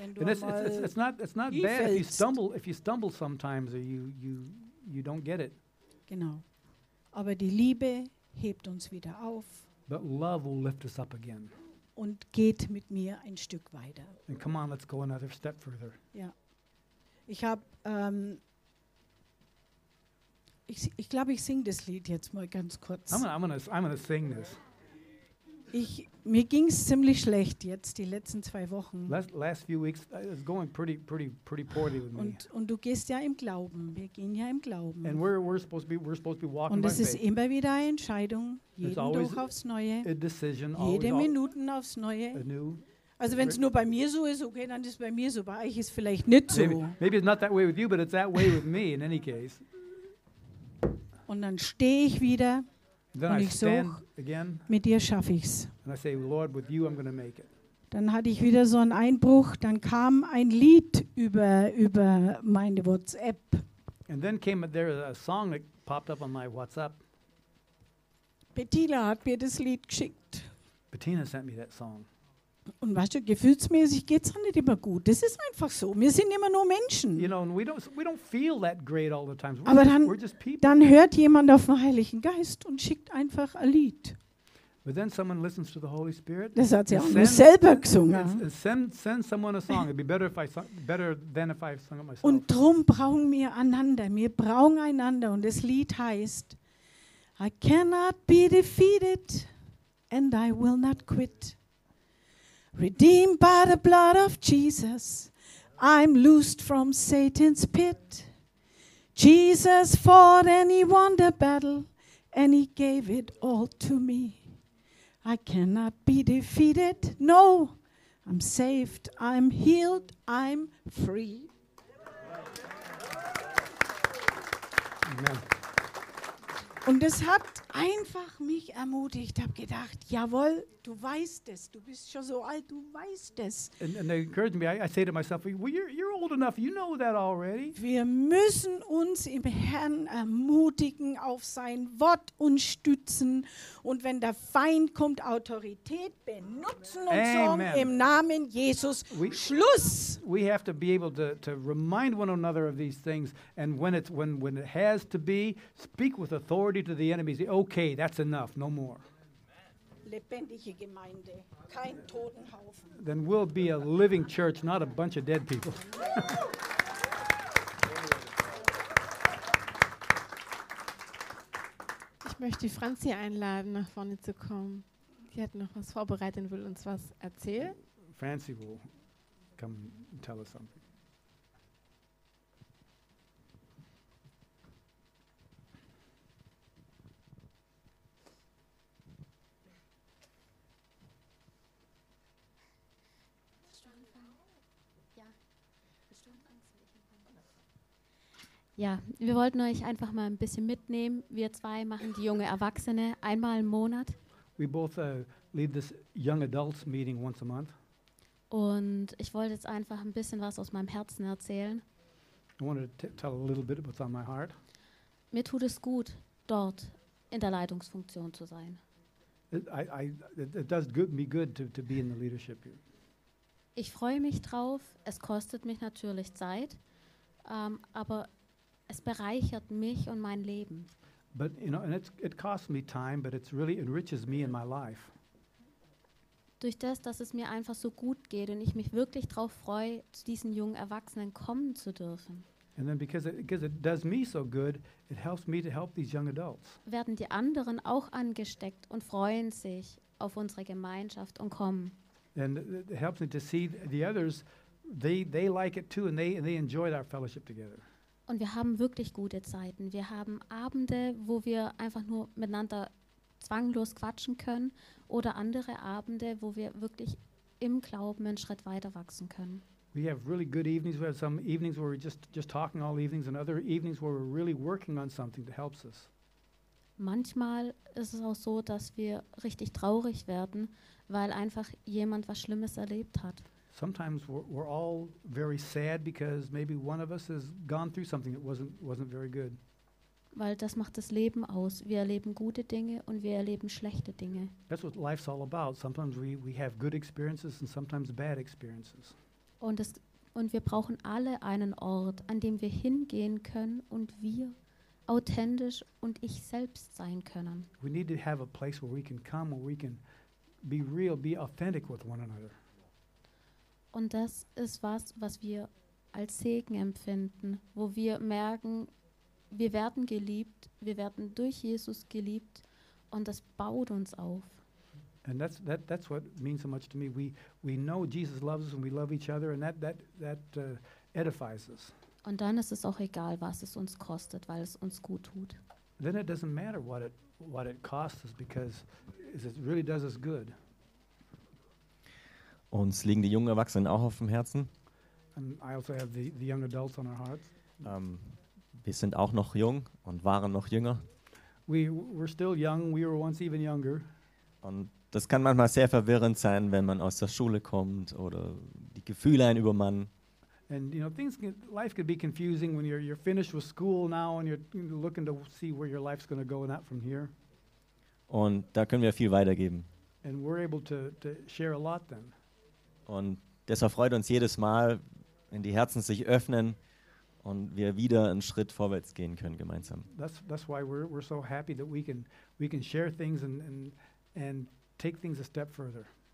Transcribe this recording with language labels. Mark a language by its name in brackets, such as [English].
[English] It's not bad if you stumble sometimes or you don't get it. [German] Genau. Aber die Liebe hebt uns wieder auf. [English] But love will lift us up again. [German] Und geht mit mir ein Stück weiter. [English] And come on, let's go another step further. [German] Ja. Ich habe ich glaube, ich singe das Lied jetzt mal ganz kurz. [English] I'm gonna sing this. [German] Mir ging es ziemlich schlecht jetzt die letzten zwei Wochen. [English] Last few weeks is going pretty poorly with me. [German] Und du gehst ja im Glauben. Wir gehen ja im Glauben. [English] And we're supposed to be walking. [German] Und es ist [English] faith. [German] Immer wieder eine Entscheidung, jeden Tag aufs Neue, [English] a decision, [German] jede Minuten aufs Neue. [English] A new, [German] also wenn es nur bei mir so ist, okay, dann ist es bei mir so. Bei euch ist vielleicht nicht so. [English] Maybe it's not that way with you, but it's that way with me in any case. [German] Und dann stehe ich wieder. [English] Then [German] und [English] I [German] ich such, [English] stand again, [German] mit dir schaffe ich's. [English] And I say, Lord, with you I'm gonna make it. [German] Dann hatte ich wieder so einen Einbruch. Dann kam ein Lied über meine WhatsApp. [English] And then came there a song that popped up on my WhatsApp. [German] Bettina hat mir das Lied geschickt. [English] Bettina sent me that song. [German] Und weißt du, gefühlsmäßig geht's auch nicht immer gut. Das ist einfach so. Wir sind immer nur Menschen. [English] You know, and we don't feel that great all the time. [German] Dann hört jemand auf den Heiligen Geist und schickt einfach ein Lied. [English] But then someone listens to the Holy Spirit. [German] Das hat sie auch nur selber gesungen. [English] Send someone a song. It'd be better if I sung it myself. [German] Und drum brauchen wir einander. Wir brauchen einander. Und das Lied heißt, [English] I cannot be defeated and I will not quit. Redeemed by the blood of Jesus, I'm loosed from Satan's pit. Jesus fought and he won the battle, and he gave it all to me. I cannot be defeated, no, I'm saved, I'm healed, I'm free. Amen. [German] Und es hat einfach mich ermutigt. Ich habe gedacht, jawohl, du weißt es. Du bist schon so alt, du weißt es. [English] And they encouraged me. I say to myself, well, you're old enough, you know that already. [German] Wir müssen uns im Herrn ermutigen, auf sein Wort uns stützen. Und wenn der Feind kommt, Autorität benutzen und sagen, im Namen Jesus, Schluss. [English] We have to be able to remind one another of these things. And when it has to be, speak with authority to the enemies. Okay, that's enough, no more. [German] Lebendige Gemeinde, kein toten Haufen. [English] Then we'll be a living church, not a bunch of dead people. [German] Ich möchte Franzi einladen, nach vorne zu kommen. Die hat noch was vorbereitet und will uns was erzählen. [English] Franzi will come and tell us something. [German] Ja, wir wollten euch einfach mal ein bisschen mitnehmen. Wir zwei machen die junge Erwachsene einmal im Monat. [English] We both lead this young adults meeting once a month. [German] Und ich wollte jetzt einfach ein bisschen was aus meinem Herzen erzählen. [English] I wanted to tell a little bit what's on my heart. [German] Mir tut es gut, dort in der Leitungsfunktion zu sein. [English] It does good me good to be in the leadership here. [German] Ich freue mich drauf. Es kostet mich natürlich Zeit, aber es bereichert mich und mein Leben. [English] But you know, and it costs me time, but it really enriches me in my life. [German] Durch das, dass es mir einfach so gut geht und ich mich wirklich drauf freue, zu diesen jungen Erwachsenen kommen zu dürfen. [English] And then because it does me so good, it helps me to help these young adults. [German] Werden die anderen auch angesteckt und freuen sich auf unsere Gemeinschaft und kommen. [English] And it helps me to see the others, they like it too and they enjoy our fellowship together. [German] Und wir haben wirklich gute Zeiten. Wir haben Abende, wo wir einfach nur miteinander zwanglos quatschen können, oder andere Abende, wo wir wirklich im Glauben einen Schritt weiter wachsen können. [English] We have really good evenings. We have some evenings where we're just talking all evenings, and other evenings where we're really working on something that helps us. [German] Manchmal ist es auch so, dass wir richtig traurig werden, weil einfach jemand was Schlimmes erlebt hat. [English] Sometimes we're all very sad because maybe one of us has gone through something that wasn't very good. [German] Weil das macht das Leben aus. Wir erleben gute Dinge und wir erleben schlechte Dinge. [English] That's what life's all about. Sometimes we have good experiences and sometimes bad experiences. [German] Und wir brauchen alle einen Ort, an dem wir hingehen können und wir authentisch und ich selbst sein können. [English] We need to have a place where we can come, where we can be real, be authentic with one another. [German] Und das ist was, was wir als Segen empfinden, wo wir merken, wir werden geliebt, wir werden durch Jesus geliebt und das baut uns auf. [English] And that's what means so much to me. We know Jesus loves us and we love each other and that edifies us. [German] Und dann ist es auch egal, was es uns kostet, weil es uns gut tut. [English] Then it doesn't matter what it costs us because it really does us good. [German] Uns liegen die jungen Erwachsenen auch auf dem Herzen. [English] And I also have the young adults on our hearts. [German] Wir sind auch noch jung und waren noch jünger. [English] We're still young, we were once even younger. [German] Und das kann manchmal sehr verwirrend sein, wenn man aus der Schule kommt oder die Gefühle einen übermannen. [English] And you know, life could be confusing when you're finished with school now and you're looking to see where your life's going to go and that from here. [German] Und da können wir viel weitergeben. [English] And we're able to share a lot then. [German] Und deshalb freut uns jedes Mal, wenn die Herzen sich öffnen und wir wieder einen Schritt vorwärts gehen können gemeinsam. [English] That's why we're so happy that we can share things and take things a step further.